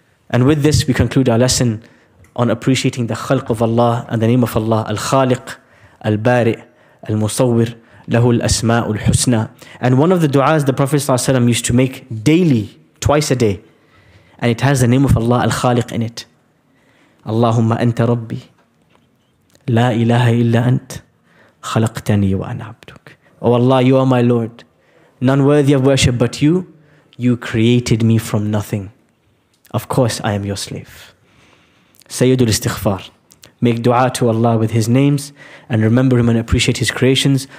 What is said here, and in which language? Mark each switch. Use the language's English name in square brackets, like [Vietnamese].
[English] And with this, we conclude our lesson on appreciating the khalq of Allah and the name of Allah, al-khaliq, [Arabic] البارئ المصور له الأسماء الحسنى. [English] And one of the du'as the Prophet ﷺ used to make daily, twice a day, and it has the name of Allah al-Khaliq in it. [Arabic] اللهم أنت ربي لا إله إلا أنت خلقتني وأنا عبدك. [English] Oh Allah, you are my Lord, none worthy of worship but you. You created me from nothing. Of course I am your slave. Sayyidul Istighfar. Make dua to Allah with his names and remember him and appreciate his creations.